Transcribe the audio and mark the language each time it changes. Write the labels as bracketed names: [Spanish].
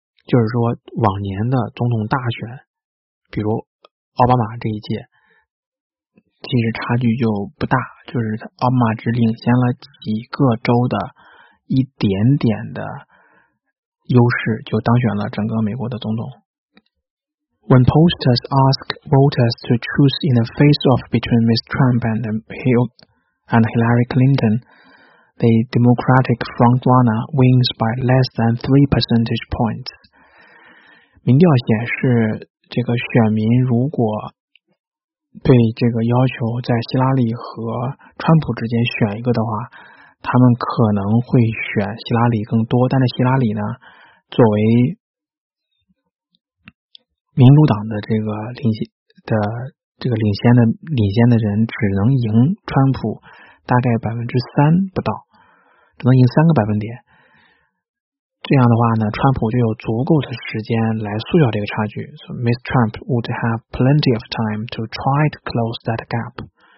[Chinese] 就是说往年的总统大选比如奥巴马这一届其实差距就不大，就是奥巴马只领先了几个州的一点点的优势就当选了整个美国的总统。 [English] When pollsters ask voters to choose in the face-off between Ms. Trump and Hillary Clinton, the Democratic frontrunner wins by less than 3 percentage points. [Chinese] 民调显示，这个选民如果对这个要求在希拉里和川普之间选一个的话，他们可能会选希拉里更多，但是希拉里呢，作为民主党的这个领先的人只能赢川普大概3%不到，只能赢3%。这样的话呢，川普就有足够的时间来缩小这个差距。 [English] So Ms. Trump would have plenty of time to try to close that gap.